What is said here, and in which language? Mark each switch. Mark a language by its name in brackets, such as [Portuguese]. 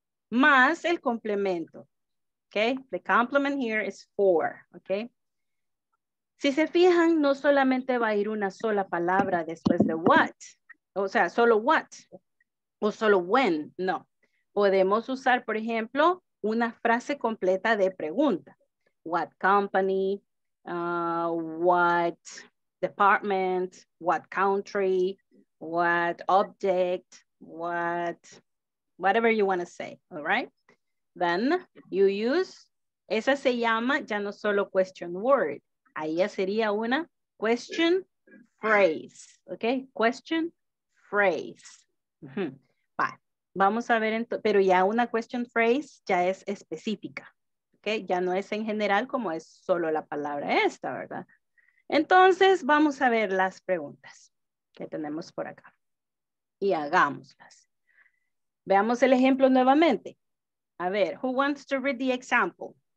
[Spanish] Más el complemento. [English] Okay, the complement here is for, okay? [Spanish] Si se fijan, no solamente va a ir una sola palabra después de what, o sea, solo what, o solo when, no. Podemos usar, por ejemplo, una frase completa de pregunta. [English] What company, what department, what country, what object, what, whatever you want to say, all right? Then you use, [Spanish] esa se llama ya no solo question word, ahí ya sería una question phrase, ok, question phrase. Bye. Vamos a ver, pero ya una question phrase ya es específica, ok, ya no es en general como es solo la palabra esta, ¿verdad? Entonces vamos a ver las preguntas que tenemos por acá y hagámoslas. Veamos el ejemplo nuevamente. A ver, [English] who wants to read the example?